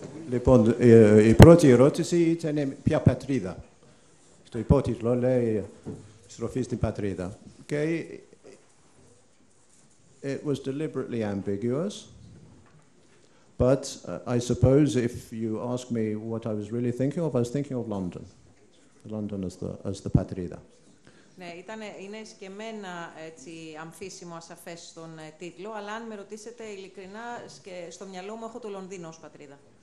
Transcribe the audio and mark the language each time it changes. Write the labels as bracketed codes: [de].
[el] Λοιπόν, η πρώτη ερώτηση ήταν ποια πατρίδα. Στο υπότιτλο λέει «Στροφή στην πατρίδα». [en] Και it was deliberately ambiguous, but I suppose if you ask me what I was really thinking of, I was thinking of London. London as the πατρίδα. [el] Ναι, ήταν, είναι σκεμμένα έτσι αμφίσιμο, ασαφές στον τίτλο, αλλά αν με ρωτήσετε ειλικρινά, στο μυαλό μου έχω το Λονδίνο ως πατρίδα.